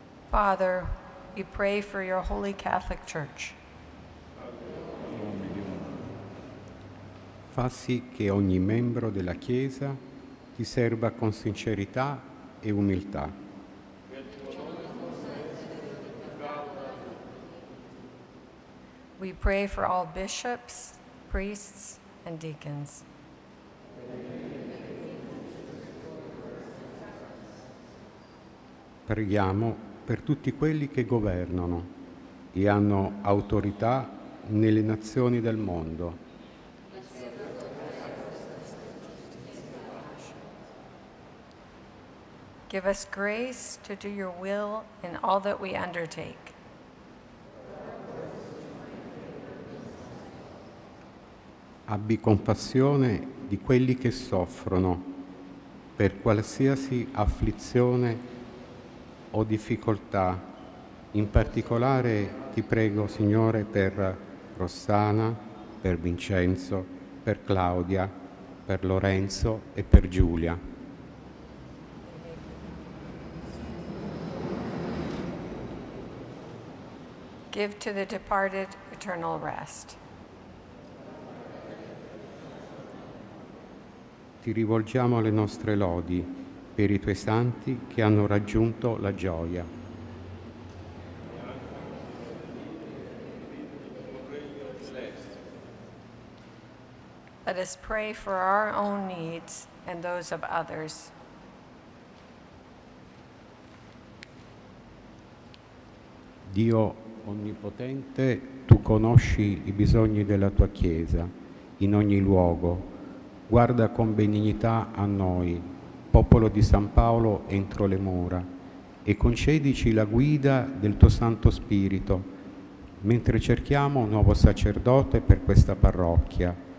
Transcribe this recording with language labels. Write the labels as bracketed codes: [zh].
[en] Father, we pray for your holy Catholic Church. [it] Fa sì che ogni membro della Chiesa ti serva con sincerità e umiltà. [en] We pray for all bishops, priests, and deacons. [it] Preghiamo per tutti quelli che governano e hanno autorità nelle nazioni del mondo. [en] Give us grace to do your will in all that we undertake. [it] Abbi compassione di quelli che soffrono per qualsiasi afflizione o difficoltà. In particolare ti prego, Signore, per Rossana, per Vincenzo, per Claudia, per Lorenzo e per Giulia. [en] Give to the departed eternal rest. [it] Ti rivolgiamo le nostre lodi per i tuoi santi che hanno raggiunto la gioia. [en] Let us pray for our own needs and those of others. [it] Dio onnipotente, tu conosci i bisogni della tua Chiesa in ogni luogo. Guarda con benignità a noi, popolo di San Paolo entro le mura, e concedici la guida del tuo Santo Spirito mentre cerchiamo un nuovo sacerdote per questa parrocchia.